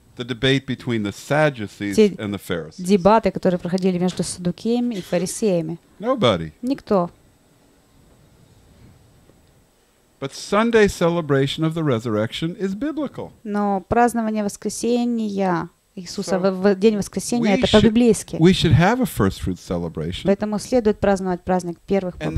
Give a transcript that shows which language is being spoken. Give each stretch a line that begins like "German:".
English: the debate between the Sadducees and the Pharisees?
Russian: Дебаты, которые проходили между саддукеями и фарисеями.
English: Nobody.
Russian: Никто.
English: But Sunday celebration of the resurrection is biblical.
Russian: Но празднование воскресения Иисуса в день воскресения это по-библейски.
English: We should have a first fruit celebration.
Russian: Поэтому следует праздновать праздник первых плодов.